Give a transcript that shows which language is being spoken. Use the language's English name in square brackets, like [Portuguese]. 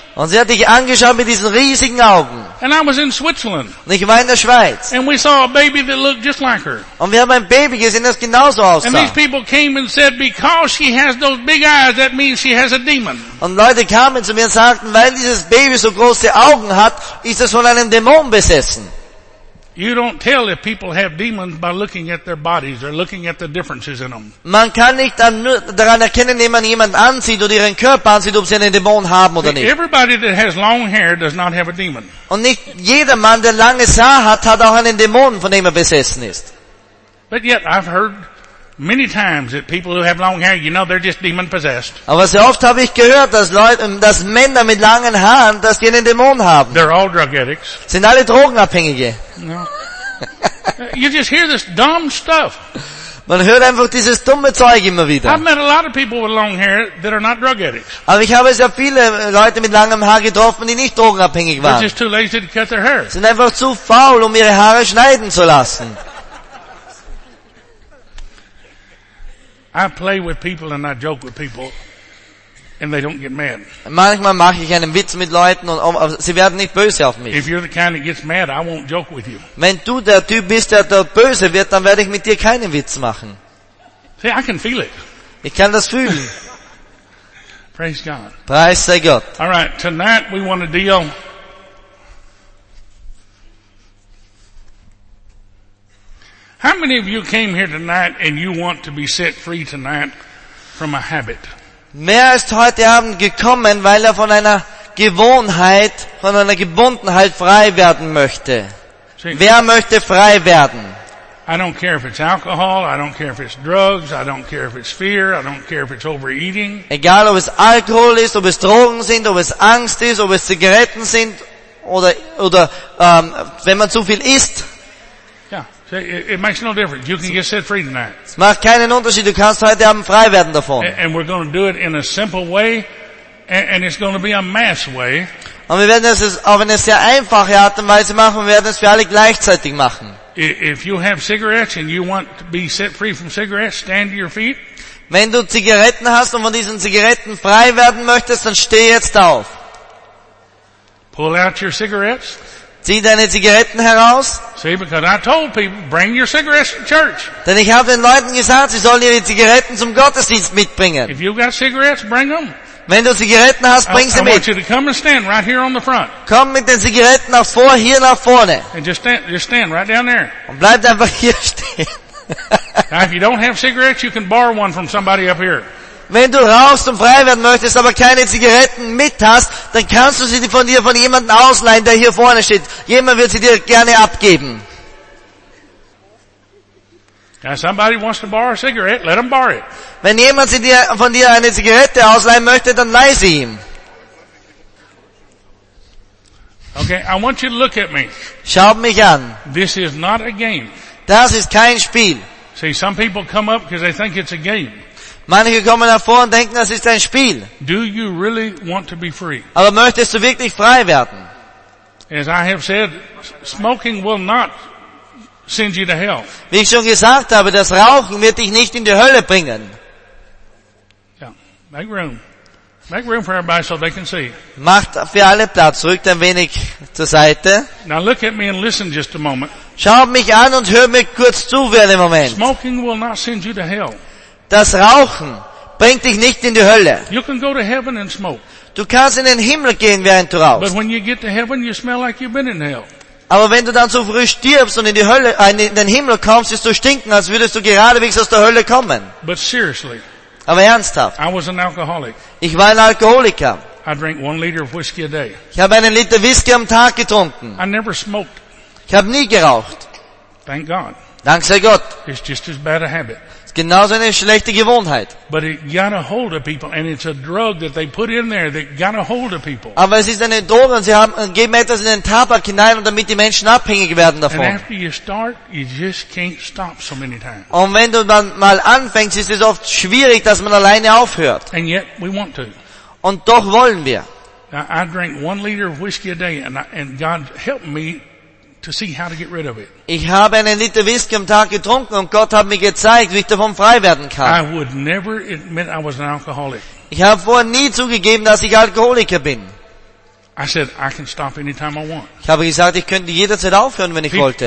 [German] Und sie hat dich angeschaut mit diesen riesigen Augen. [English] And I was in Switzerland. [German] Und ich war in der Schweiz. [English] And we saw a baby that looked just like her. [German] Und wir haben ein Baby gesehen, das genauso aussah. [English] And these people came and said, because she has those big eyes, that means she has a demon. [German] Und Leute kamen zu mir und sagten, weil dieses Baby so große Augen hat, ist es von einem Dämon besessen. [English] You don't tell if people have demons by looking at their bodies or looking at the differences in them. [German] Man kann nicht daran erkennen, wenn man jemanden ansieht oder ihren Körper ansieht, ob sie einen Dämon haben oder nicht. [English] Everybody that has long hair does not have a demon. [German] Und nicht jeder Mann, der langes Haar hat, hat auch einen Dämon, von dem er besessen ist. [English] But yet I've heard many times that people who have long hair, you know, they're just demon possessed. [German] Aber sehr oft habe ich gehört, dass Männer mit langen Haaren, dass die einen Dämon haben. [English] They're all drug addicts. [German] Sind alle Drogenabhängige. [English] No. You just hear this dumb stuff. [German] Man hört einfach dieses dumme Zeug immer wieder. [English] I've met a lot of people with long hair that are not drug addicts. [German] Aber ich habe sehr viele Leute mit langem Haar getroffen, die nicht drogenabhängig waren. [English] They're just too lazy to cut their hair. [German] Sind einfach zu faul, um ihre Haare schneiden zu lassen. [English] I play with people and I joke with people and they don't get mad. [German] Manchmal mache ich einen Witz mit Leuten und sie werden nicht böse auf mich. [English] If you're the kind that gets mad, I won't joke with you. [German] Wenn du der Typ bist, der dort böse wird, dann werde ich mit dir keinen Witz machen. [English] See, I can feel it. [German] Ich kann das fühlen. [English] Praise God. [German] Preis sei Gott. [English] All right, tonight we want to deal How many of you came here tonight and you want to be set free tonight from a habit? [German] Wer ist heute Abend gekommen, weil er von einer Gewohnheit, von einer Gebundenheit frei werden möchte? See, wer möchte frei werden? [English] I don't care if it's alcohol, I don't care if it's drugs, I don't care if it's fear, I don't care if it's overeating. [German] Egal ob es Alkohol ist, ob es Drogen sind, ob es Angst ist, ob es Zigaretten sind oder wenn man zu viel isst. [English] It makes no difference. You can get set free tonight. [German] Es macht keinen Unterschied. Du kannst heute Abend frei werden davon. [English] And we're going to do it in a simple way, and it's going to be a mass way. [German] Und wir werden es auf eine sehr einfache Art und Weise machen. Wir werden es für alle gleichzeitig machen. [English] If you have cigarettes and you want to be set free from cigarettes, stand to your feet. [German] Wenn du Zigaretten hast und von diesen Zigaretten frei werden möchtest, dann steh jetzt auf. [English] Pull out your cigarettes. [German] Zieh deine Zigaretten heraus. [English] See, because I told people, bring your cigarettes to church. [German] Denn ich habe den Leuten gesagt, sie sollen ihre Zigaretten zum Gottesdienst mitbringen. [English] If you've got cigarettes, bring them. [German] Wenn du Zigaretten hast, bring sie mit. [English] I want you to come and stand right here on the front. [German] Komm mit den Zigaretten nach vor, hier nach vorne. [English] And just stand right down there. [German] Und bleib einfach hier stehen. [English] Now, if you don't have cigarettes, you can borrow one from somebody up here. [German] Wenn du rauchst und frei werden möchtest, aber keine Zigaretten mit hast, dann kannst du sie von jemandem ausleihen, der hier vorne steht. Jemand wird sie dir gerne abgeben. [English] Now, somebody wants to borrow a cigarette, let them borrow it. [German] Wenn jemand sie dir, von dir eine Zigarette ausleihen möchte, dann leih sie ihm. [English] Okay, I want you to look at me. [German] Schau mich an. [English] This is not a game. [German] Das ist kein Spiel. [English] See, some people come up because they think it's a game. [German] Manche kommen davor und denken, das ist ein Spiel. [English] Do you really want to be free? [German] Aber möchtest du wirklich frei werden? [English] As I have said, smoking will not send you to hell. [German] Wie ich schon gesagt habe, das Rauchen wird dich nicht in die Hölle bringen. [English] Yeah. Make room. Make room for everybody so they can see. [German] Macht für alle Platz, rückt ein wenig zur Seite. [English] Now look at me and listen just a moment. [German] Schau mich an und hör mir kurz zu für einen Moment. [English] Smoking will not send you to hell. [German] Das Rauchen bringt dich nicht in die Hölle. [English] You can go to heaven and smoke. [German] Du kannst in den Himmel gehen, während du rauchst. [English] But when you get to heaven, you smell like you've been in hell. [German] Aber wenn du dann so früh stirbst und in die Hölle, in den Himmel kommst, wirst du stinken, als würdest du geradewegs aus der Hölle kommen. [English] But seriously. [German] Aber ernsthaft. [English] I was an alcoholic. [German] Ich war ein Alkoholiker. [English] I drank 1 liter of whiskey a day. [German] Ich habe 1 liter Whisky am Tag getrunken. [English] I never smoked. [German] Ich habe nie geraucht. [English] Thank God. [German] Dank sei Gott. [English] It's just as bad a habit. [German] Genauso eine schlechte Gewohnheit. [English] But it got a hold of people, and it's a drug that they put in there that got a hold of people. [German] Aber es ist eine Droge, und sie geben etwas in den Tabak hinein, damit die Menschen abhängig werden davon. [English] And after you start, you just can't stop so many times. [German] Und wenn du dann mal anfängst, ist es oft schwierig, dass man alleine aufhört. [English] And yet we want to. [German] Und doch wollen wir. [English] I drank 1 liter of whiskey a day, and God helped me to see how to get rid of it. [German] Ich habe 1 liter Whisky am Tag getrunken und Gott hat mir gezeigt, wie ich davon frei werden kann. [English] I would never admit I was an alcoholic. [German] Ich habe vorher nie zugegeben, dass ich Alkoholiker bin. [English] I said I can stop anytime I want. [German] Ich habe gesagt, ich könnte jederzeit aufhören, wenn ich wollte.